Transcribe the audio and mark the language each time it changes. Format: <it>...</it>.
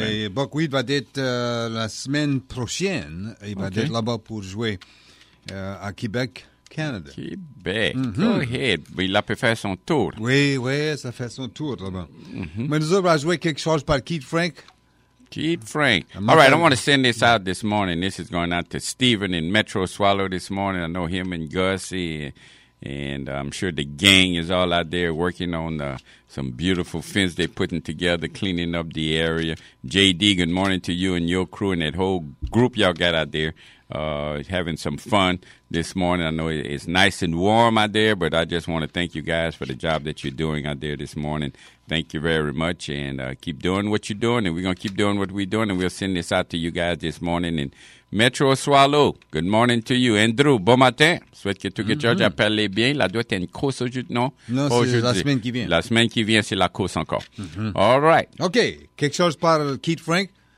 <fr>Buckwheat va être la semaine prochaine. Il va être là-bas pour jouer à Québec, Canada. Québec. Mm-hmm.</fr> <en>Go ahead.</en> <fr>Il a pu faire son tour. Oui, oui, ça fait son tour là-bas. Mm-hmm. Mais nous allons jouer quelque chose par Keith Frank. Keith Frank.</fr> <en>All right, I want to send this out this morning. This is going out to Stephen in Metro Swallow this morning. I know him and Gussie And I'm sure the gang is all out there working on some beautiful fence they're putting together, cleaning up the area. JD, good morning to you and your crew and that whole group y'all got out there having some fun this morning. I know it's nice and warm out there, but I just want to thank you guys for the job that you're doing out there this morning. Thank you very much, and keep doing what you're doing, and we're going to keep doing what we're doing, and we'll send this out to you guys this morning. And Metro Swallow, good morning to you.</en> <fr>Andrew, bon matin. Souhaite que tout que George appelle bien. La doit être une course aujourd'hui, non? Non, c'est la semaine qui vient. La semaine qui vient, c'est la course encore.</fr> <en>Mm-hmm. All right.</en> <fr>OK, quelque chose par Keith Frank.</fr>